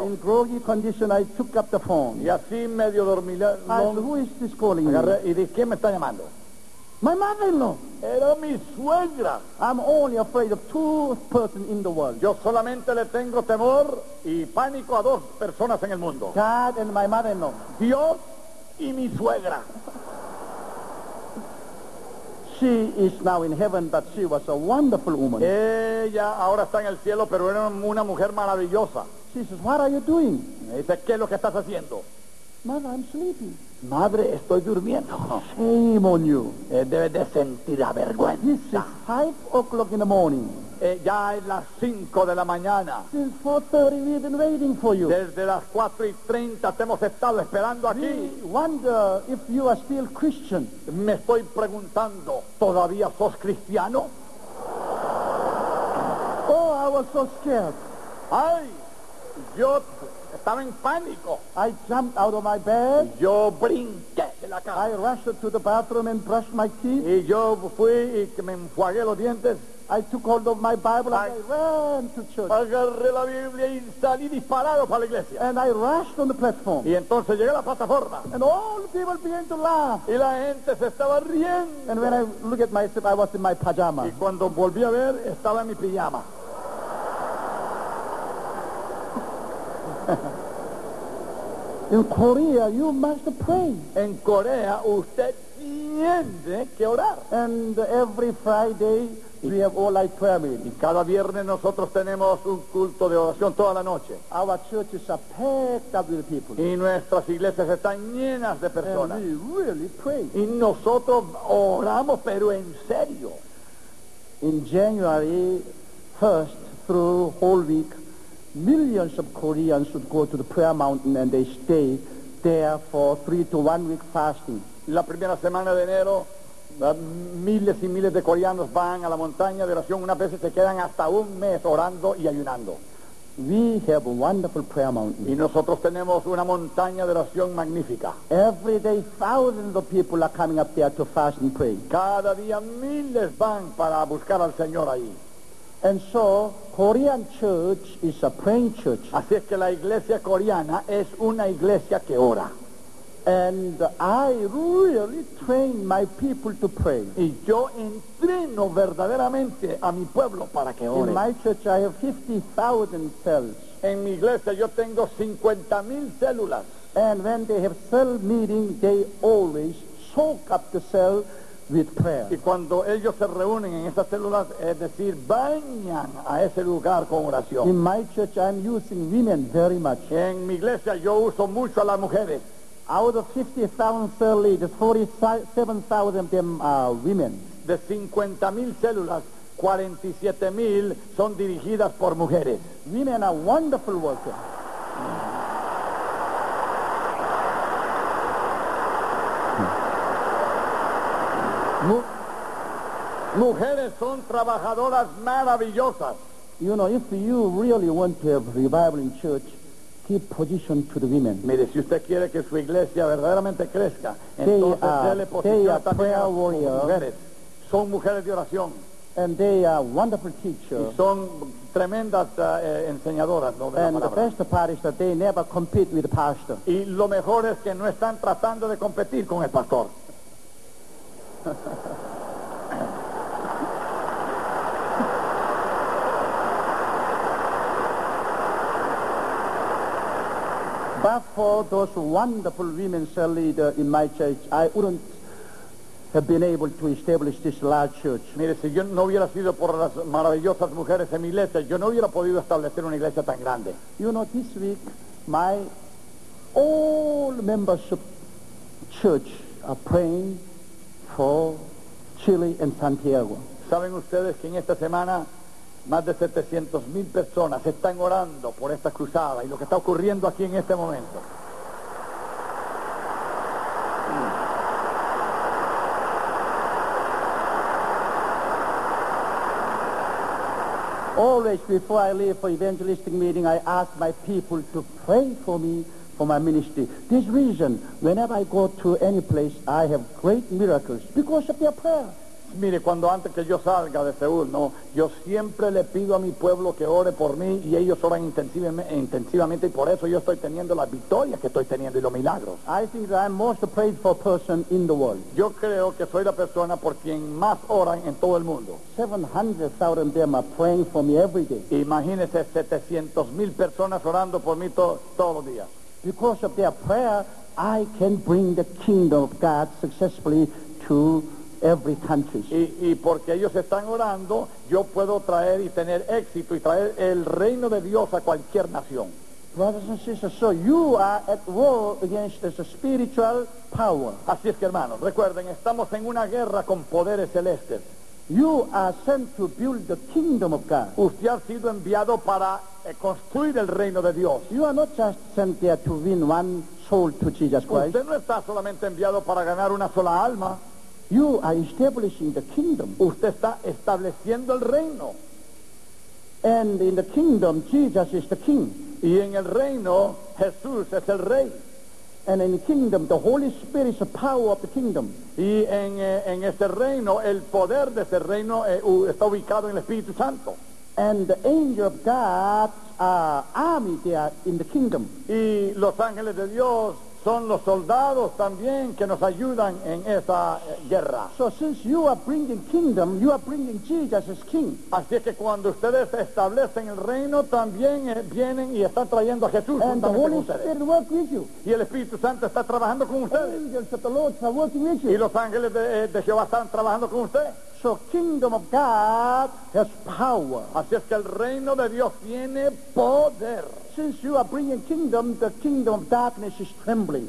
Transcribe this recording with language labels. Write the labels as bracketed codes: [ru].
[en] So in groggy condition, I took up the phone. [es] Y así medio dormido. [en] Who is this calling? [es] Agarré, y dije, ¿quién me está llamando? [en] My mother-in-law. [es] Era mi suegra. [en] I'm only afraid of two persons in the world. [es] Yo solamente le tengo temor y pánico a dos personas en el mundo. [en] God and my mother-in-law. [es] Dios y mi suegra. [en] She is now in heaven, but she was a wonderful woman. [es] Ella ahora está en el cielo, pero era una mujer maravillosa. [en] She says, what are you doing? [es] Me dice, ¿qué es lo que estás haciendo? [en] Mother, I'm sleeping. [es] Madre, estoy durmiendo. [en] Shame on you. [es] Debe de sentir vergüenza. [en] This is 5:00 in the morning. [es] Ya es las 5 de la mañana. [en] Since 4:30 we've been waiting for you. [es] Desde las 4:30 te hemos estado esperando aquí. [en] We wonder if you are still Christian. [es] Me estoy preguntando, ¿todavía sos cristiano? [en] Oh, I was so scared. [es] Ay, yo estaba en pánico. [en] I jumped out of my bed. [es] Yo brinqué de la cama. [en] I rushed to the bathroom and brushed my teeth. [es] Y yo fui y me enjuagué los dientes. [en] I took hold of my Bible and I ran to church. [es] Agarré la Biblia y salí disparado para la iglesia. [en] And I rushed on the platform. [es] Y entonces llegué a la plataforma. [en] And all the people began to laugh. [es] Y la gente se estaba riendo. [en] And when I looked at myself, I was in my pajama. [es] Y cuando volví a ver, estaba en mi pijama. [en] In Korea, you must pray. [es] En Corea, usted tiene que orar. [en] And every Friday, we have all night prayer meeting. [es] Y cada viernes nosotros tenemos un culto de oración toda la noche. [en] Our churches are packed up with people. [es] Y nuestras iglesias están llenas de personas. [en] And we really pray. [es] Y nosotros oramos, pero en serio. [en] In January 1st through whole week, millions of Koreans should go to the prayer mountain and they stay there for 3 to 1 week fasting. [es] La primera semana de enero, miles y miles de coreanos van a la montaña de oración. Unas veces se quedan hasta un mes orando y ayunando. [en] We have a wonderful prayer mountain. [es] Y nosotros tenemos una montaña de oración magnífica. [en] Every day thousands of people are coming up there to fast and pray. [es] Cada día miles van para buscar al Señor ahí. [en] And so, Korean church is a praying church. [es] Así es que la iglesia coreana es una iglesia que ora. [en] And I really train my people to pray. [es] Y yo entreno verdaderamente a mi pueblo para que ore. [en] In my church I have 50,000 cells. [es] En mi iglesia yo tengo 50,000 células. [en] And when they have cell meeting, they always soak up the cell with prayer. [es] Y cuando ellos se reúnen en esas células, es decir, bañan a ese lugar con oración. [en] In my church I'm using women very much. [es] En mi iglesia yo uso mucho a las mujeres. [en] Out of 50,000 cell leaders, 47,000 of them are women. [es] De 50,000 células, 47,000 son dirigidas por mujeres. [en] Women are wonderful workers. [es] Mujeres son trabajadoras maravillosas. [en] You know, if you really want to have revival in church, keep position to the women. [es] Mire, si usted quiere que su iglesia verdaderamente crezca, [en] they [es] entonces [en] are, [es] dele posición a [en] prayer warriors, [es] mujeres. Son mujeres de oración. [en] And they are wonderful teachers. [es] Y son tremendas enseñadoras, ¿no? [en] And the best part is that they never compete with the pastor. [es] Y lo mejor es que no están tratando de competir con el pastor. [en] But for those wonderful women cell leader in my church, I wouldn't have been able to establish this large church. [es] Mire, si yo no hubiera sido por las maravillosas mujeres en mi iglesia, yo no hubiera podido establecer una iglesia tan grande. [en] You know, this week, my all membership church are praying for Chile and Santiago. [es] ¿Saben ustedes que en esta semana más de 700,000 personas están orando por esta cruzada y lo que está ocurriendo aquí en este momento? [en] Always before I leave for evangelistic meeting, I ask my people to pray for me for my ministry. This reason, whenever I go to any place, I have great miracles because of their prayer. [es] Mire, cuando antes que yo salga de Seúl, no, yo siempre le pido a mi pueblo que ore por mí y ellos oran intensivamente y por eso yo estoy teniendo las victorias que estoy teniendo y los milagros. [en] I think that I'm most prayed for person in the world. [es] Yo creo que soy la persona por quien más oran en todo el mundo. [en] 700,000 them are praying for me every day. [es] Imagínese 700,000 personas orando por mí todos los días. [en] Because of their prayer, I can bring the kingdom of God successfully to every country. [es] Y porque ellos están orando, yo puedo traer y tener éxito y traer el reino de Dios a cualquier nación. [en] Brothers and sisters, so you are at war against this spiritual power. [es] Así es que hermanos, recuerden, estamos en una guerra con poderes celestes. [en] You are sent to build the kingdom of God. [es] Usted ha sido enviado para construir el reino de Dios. [en] You are not just sent there to win one soul to Jesus Christ. [es] Usted no está solamente enviado para ganar una sola alma. [en] You are establishing the kingdom. [es] Usted está estableciendo el reino. [en] And in the kingdom, Jesus is the king. [es] Y en el reino, Jesús es el rey. [en] And in the kingdom, the Holy Spirit is the power of the kingdom. [es] Y en ese reino, el poder de ese reino está ubicado en el Espíritu Santo. [en] And the angel of God's army there in the kingdom. [es] Y los ángeles de Dios son los soldados también que nos ayudan en esa guerra. [en] So since you are bringing kingdom, you are bringing Jesus as king. [es] Así es que cuando ustedes establecen el reino, también vienen y están trayendo a Jesús. [en] And the Holy Spirit work with you. [es] Y el Espíritu Santo está trabajando con ustedes. [en] Angels of the Lord are working with you. [es] Y los ángeles de Jehová están trabajando con usted. [en] So kingdom of God has power. [es] Así es que el reino de Dios tiene poder. [en] Since you are bringing kingdom, the kingdom of darkness is trembling.